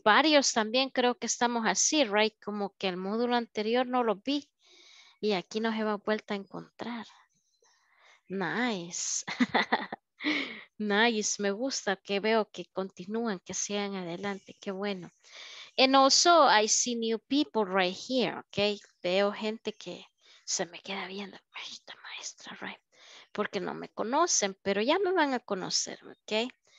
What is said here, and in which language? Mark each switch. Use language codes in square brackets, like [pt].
[es] Varios también creo que estamos así, [en] right? [es] Como que el módulo anterior no lo vi. Y aquí nos hemos vuelto a encontrar. [en] Nice. Nice. [es] Me gusta que veo que continúan, que sigan adelante. Qué bueno. [en] And also, I see new people right here, okay? [es] Veo gente que se me queda viendo, esta maestra, [en] right? [es] Porque no me conocen, pero ya me van a conocer, ¿ok?